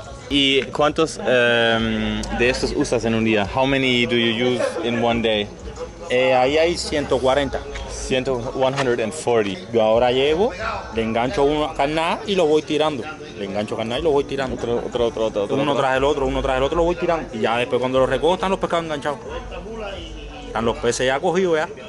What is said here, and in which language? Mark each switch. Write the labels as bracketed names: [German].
[Spanish] ¿Y cuántos de estos usas en un día? [English] How many do you use in one day? [Spanish] Ahí hay 140. 140. Yo ahora llevo, le engancho uno a carnada y lo voy tirando. Le engancho carnada y lo voy tirando. Otro. Uno tras el otro, lo voy tirando. Y ya después cuando lo recojo están los pescados enganchados. Están los peces ya cogidos ya.